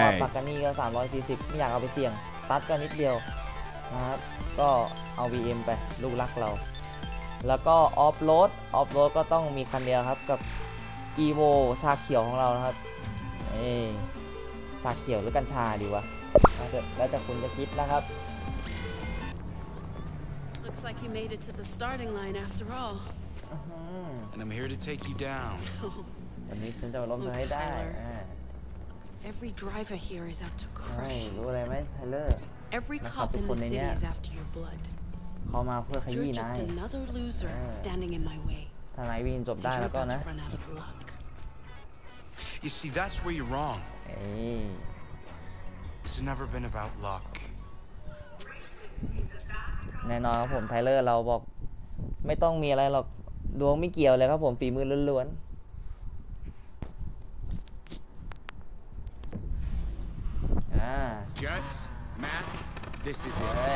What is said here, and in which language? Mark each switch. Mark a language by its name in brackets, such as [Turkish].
[Thai] เพราะว่าปากกานี่ก็340ไม่อยากเอาไปเสี่ยงตัดกันนิดเดียวนะครับก็เอา BM ไปลูกรักเราแล้วก็ออฟโรดออฟโรดก็ต้องมีคันเดียวครับกับ Evo ชาเขียวของเรานะครับชาเขียวหรือกัญชาดีวะแล้วแต่คุณจะคิดนะครับ [English] Like you made it to the starting line after all. And I'm here to take you down. Look, Tyler. Every driver here is out to crush you. Every cop in the city is after your blood. You're just another loser standing in my way. And you're about to run out of luck. You see, that's where you're wrong. This has never been about luck. [Thai] แน่นอนครับผมไทเลอร์เราบอกไม่ต้องมีอะไรหรอกดวงไม่เกี่ยวเลยครับผมฝีมือล้วนๆ [English] Jess Matt this is it